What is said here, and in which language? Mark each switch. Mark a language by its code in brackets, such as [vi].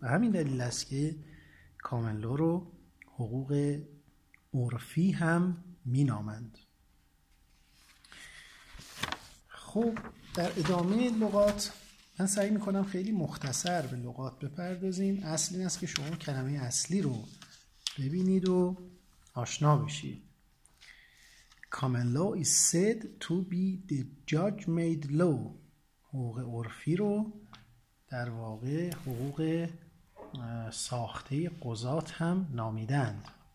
[fa] به همین دلیل است که common law رو حقوق عرفی هم می نامند. خب در ادامه لغات من سعی می کنم خیلی مختصر به لغات بپردازیم. اصل این است که شما کلمه اصلی رو ببینید و آشنا بشید. [en] Common law is said to be the judge-made law. [fa] حقوق عرفی رو در واقع حقوق ساخته قضات هم نامیدند.